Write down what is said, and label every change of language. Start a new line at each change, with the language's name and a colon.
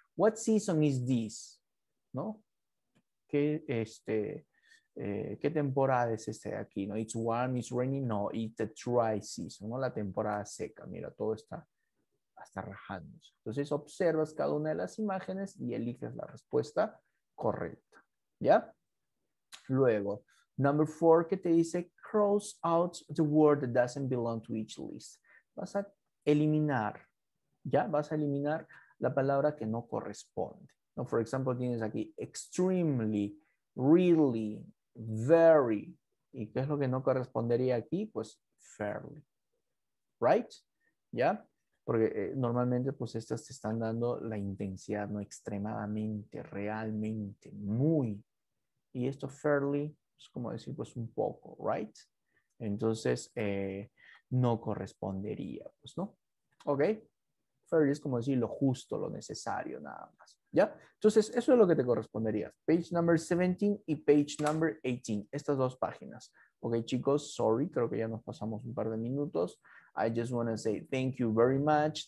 English: What season is this?
Spanish: ¿No? ¿Qué, qué temporada es este de aquí? ¿No?
English: It's warm, it's raining. No, it's a dry season, ¿no?
Spanish: La temporada seca. Mira, todo está hasta rajándose. Entonces observas cada una de las imágenes y eliges la respuesta correcta. ¿Ya? Luego, number four, que te dice,
English: cross out the word that doesn't belong to each list.
Spanish: Vas a eliminar, ¿ya? Vas a eliminar la palabra que no corresponde. ¿No? For example, tienes aquí extremely, really, very. ¿Y qué es lo que no correspondería aquí? Pues fairly. ¿Right? ¿Ya? Porque normalmente, pues, estas te están dando la intensidad, ¿no? Extremadamente, realmente, muy. Y esto, fairly, es como decir, pues, un poco, ¿right? Entonces, no correspondería, pues, ¿no? ¿Ok? Fairly es como decir lo justo, lo necesario, nada más. ¿Ya? Entonces, eso es lo que te correspondería. Page number 17 y page number 18. Estas dos páginas. Ok, chicos, sorry, creo que ya nos pasamos un par de minutos.
English: I just want to say thank you very much.